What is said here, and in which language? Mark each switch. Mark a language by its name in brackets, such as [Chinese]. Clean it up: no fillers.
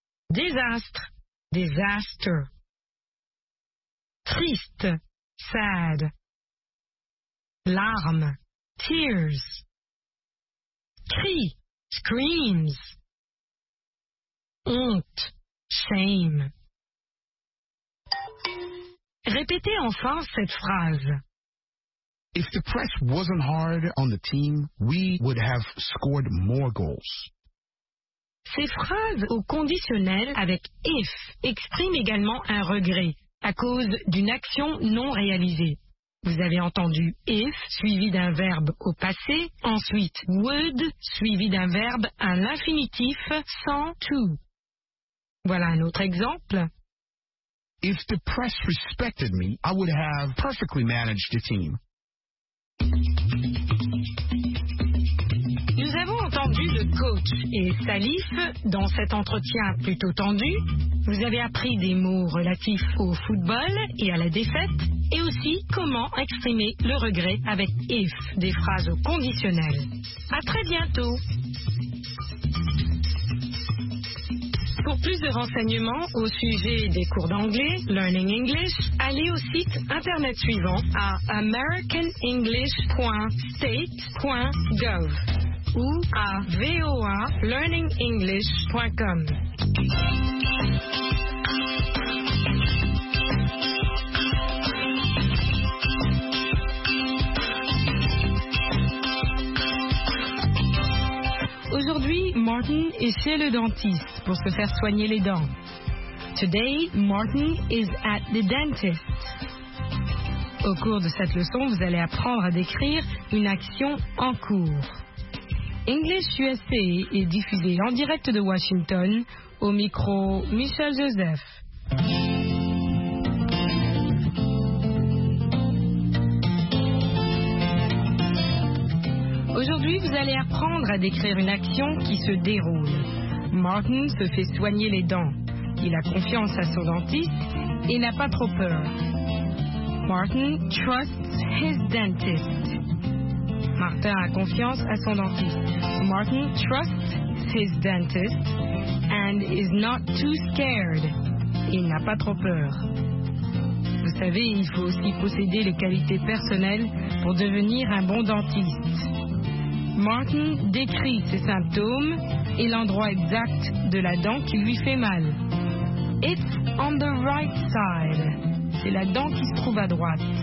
[French] Désastre. Disaster. Triste. Sad. Larmes. Tears. Cri. Screams. Honte. Shame. Répétez enfin cette phrase. [English] If the press wasn't hard on the team, we would have scored more goals. [French] Ces phrases au conditionnel avec if expriment également un regret à cause d'une action non réalisée. Vous avez entendu if suivi d'un verbe au passé, ensuite would suivi d'un verbe à l'infinitif sans to. Voilà un autre exemple. [English] If the press respected me, I would have perfectly managed the team. [French] Nous avons entendu le coach et Salif dans cet entretien plutôt tendu. Vous avez appris des mots relatifs au football et à la défaite, et aussi comment exprimer le regret avec if, des phrases au conditionnel. À très bientôt. Pour plus de renseignements au sujet des cours d'anglais, Learning English, allez au site internet suivant à americanenglish.state.gov ou à voalearningenglish.com. Aujourd'hui, Martin est chez le dentiste pour se faire soigner les dents. [English] Today, Martin is at the dentist. [French] Au cours de cette leçon, vous allez apprendre à décrire une action en cours. English USA est diffusé en direct de Washington au micro Michel Joseph. Aujourd'hui, vous allez apprendre à décrire une action qui se déroule. Martin se fait soigner les dents. Il a confiance à son dentiste et n'a pas trop peur. [English] Martin trusts his dentist. [French] Martin a confiance à son dentiste. [English] Martin trusts his dentist and is not too scared. [French] Il n'a pas trop peur. Vous savez, il faut aussi posséder les qualités personnelles pour devenir un bon dentiste. Martin décrit ses symptômes et l'endroit exact de la dent qui lui fait mal. [English] It's on the right side. [French] C'est la dent qui se trouve à droite.